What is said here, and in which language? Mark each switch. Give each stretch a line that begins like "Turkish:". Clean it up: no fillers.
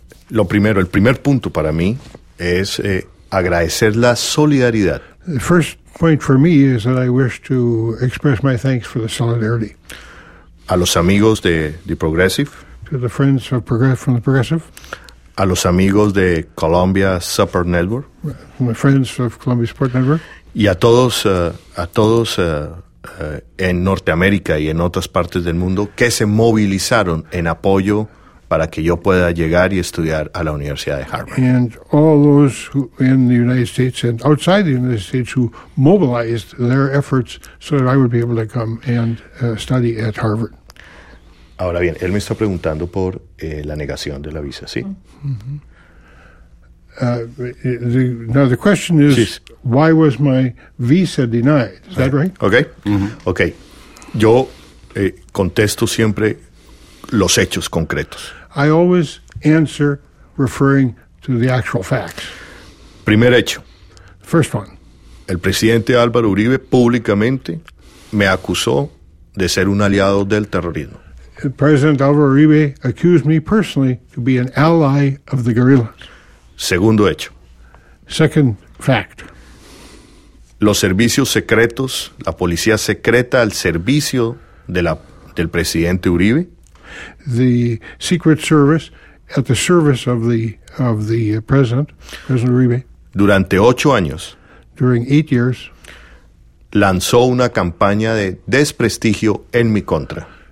Spanish: Lo primero, el primer punto para mí es agradecer la solidaridad.
English: The first point for me is that I wish to express my thanks for the solidarity.
Spanish: A los amigos de The Progressive.
English: To the friends of from The Progressive.
Spanish: A los amigos de Colombia Support Network.
English: My friends of Colombia Support Network.
Spanish: Y a todos... en Norteamérica y en otras partes del mundo que se movilizaron en apoyo para que yo pueda llegar y estudiar a la Universidad de Harvard.
English: And all those who, in the United States and outside the United States who mobilized their efforts so that I would be able to come and study at Harvard.
Spanish: Ahora bien, él me está preguntando por la negación de la visa, ¿sí?
English: Mm-hmm. The question is, sí. Why was my visa denied? Is that right?
Spanish: Okay. Mm-hmm. Okay. Yo contesto siempre los hechos concretos.
English: I always answer referring to the actual facts.
Spanish: Primer hecho.
English: First one.
Spanish: El presidente Álvaro Uribe públicamente me acusó de ser un aliado del terrorismo.
English: President Álvaro Uribe accused me personally to be an ally of the guerrilla.
Spanish: Segundo hecho.
English: Second fact.
Spanish: Los servicios secretos, la policía secreta al servicio de del presidente Uribe.
English: The secret service at the service of the president Uribe.
Spanish: Durante 8 años.
English: During 8 years.
Spanish: Lanzó una campaña de desprestigio en mi contra.